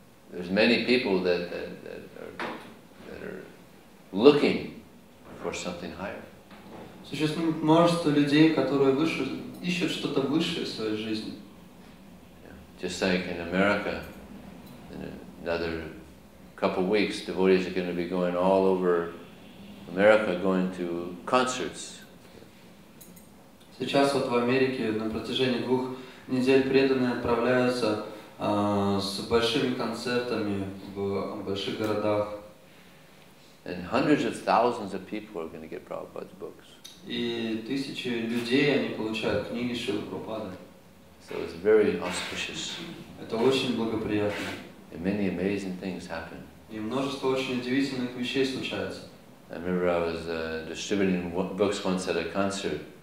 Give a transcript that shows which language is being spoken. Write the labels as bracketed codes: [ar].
[en] There's many people that are looking for something higher. [ru] Существует множество людей, которые выше, ищут что-то высшее в своей жизни. [en] Yeah. Just like in America, in another couple weeks, devotees are going to be going all over America, going to concerts. [ru] Сейчас вот в Америке на протяжении двух недель преданные отправляются с большими концертами в больших городах. [en] And hundreds of thousands of people are going to get Prabhupada's books. [ru] И тысячи людей, они получают книги Шрилы Прабхупады. [en] So it's very auspicious. [ru] Это очень благоприятно. [en] And many amazing things happen. [ru] И множество очень удивительных вещей случается. [en] I remember I was distributing books once at a concert.